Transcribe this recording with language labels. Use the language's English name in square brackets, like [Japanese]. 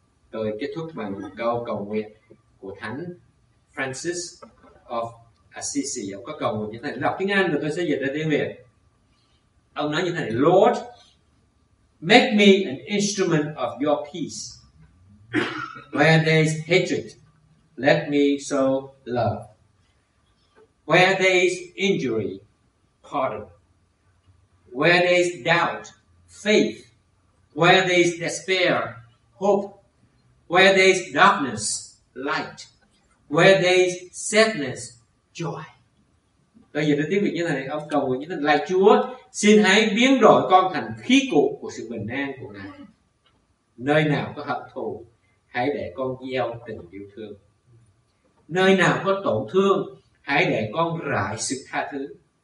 [Vietnamese] Tôi kết thúc bằng một câu cầu nguyện của Thánh Francis of Assisi. Ông có cầu nguyện như thế này, đọc tiếng Anh rồi tôi sẽ dịch ra tiếng Việt. Ông nói như thế này: [English] Lord, make me an instrument of your peace. Where there is hatred, let me sow love. Where there is injury, pardon. Where there is doubt, faith. Where there is despair, hope. Where there is darkness, light. Where there is sadness, joy. [Vietnamese] Bây giờ tôi tiếp tục như thế này, ông cầu nguyện như thế này: Lạy Chúa, xin hãy biến đổi con thành khí cụ của sự bình an của Ngài. Nơi nào có hận thù hãy để con gieo tình yêu thương. Nơi nào có tổn thương, hãy để con rải sự tha thứ.